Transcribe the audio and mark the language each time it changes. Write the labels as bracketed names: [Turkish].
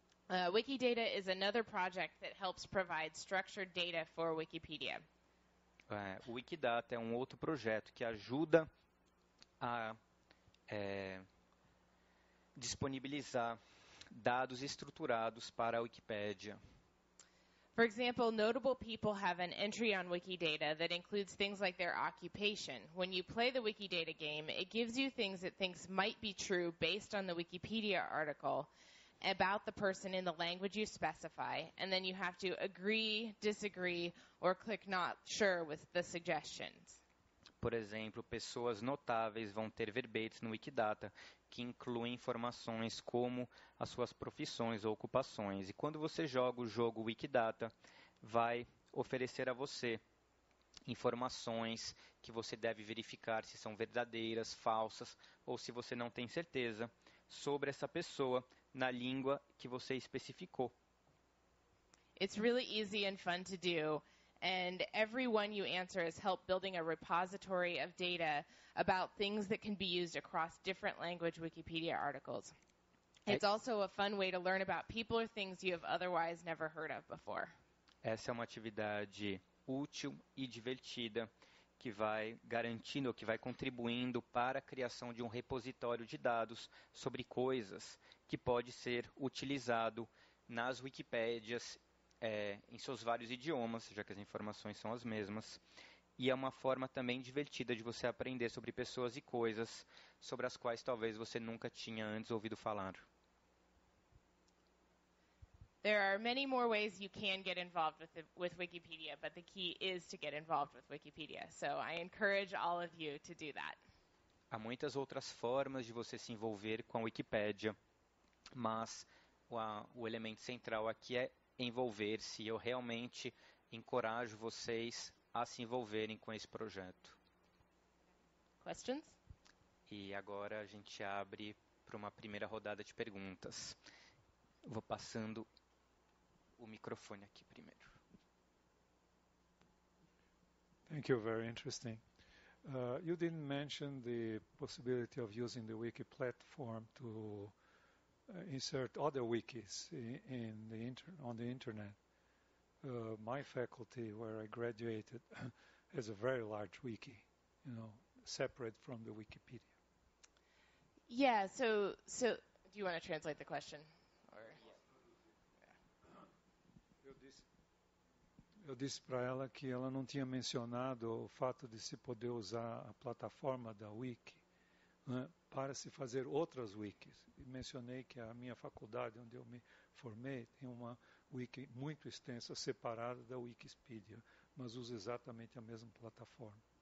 [English] Wikidata is another project that helps provide structured data for Wikipedia. [Portuguese] O Wikidata é um outro projeto que ajuda a disponibilizar dados estruturados para a Wikipédia. [English] For example, notable people have an entry on Wikidata that includes things like their occupation. When you play the Wikidata game, it gives you things it thinks might be true based on the Wikipedia article about the person in the language you specify, and then you have to agree, disagree, or click not sure with the suggestions. [Portuguese] Por exemplo, pessoas notáveis vão ter verbetes no Wikidata que incluem informações como as suas profissões ou ocupações. E quando você joga o jogo Wikidata, vai oferecer a você informações que você deve verificar se são verdadeiras, falsas, ou se você não tem certeza sobre essa pessoa na língua que você especificou. [English] It's really easy and fun to do. And every one you answer has helped building a repository of data about things that can be used across different language Wikipedia articles. It's also a fun way to learn about people or things you have otherwise never heard of before. [Portuguese] Essa é uma atividade útil e divertida que vai garantindo, ou que vai contribuindo para a criação de um repositório de dados sobre coisas que pode ser utilizado nas Wikipédias, em seus vários idiomas, já que as informações são as mesmas. E é uma forma também divertida de você aprender sobre pessoas e coisas sobre as quais talvez você nunca tinha antes ouvido falar. [English] There are many more ways you can get involved with Wikipedia, but the key is to get involved with Wikipedia. So I encourage all of you to do that. [Portuguese] Há muitas outras formas de você se envolver com a Wikipédia, mas o elemento central aqui é envolver-se. Eu realmente encorajo vocês a se envolverem com esse projeto. [English] Questions? [Portuguese] E agora a gente abre para uma primeira rodada de perguntas. Vou passando o microfone aqui primeiro. [English] Thank you, very interesting. You didn't mention the possibility of using the Wiki platform to insert other wikis on the internet. My faculty, where I graduated, has a very large wiki, you know, separate from the Wikipedia. Yeah, so do you want to translate the question? [Portuguese] Eu disse para ela que ela não tinha mencionado o fato de se poder usar a plataforma da Wiki, né, para se fazer outras wikis. E mencionei que a minha faculdade, onde eu me formei, tem uma wiki muito extensa, separada da Wikipedia, mas usa exatamente a mesma plataforma.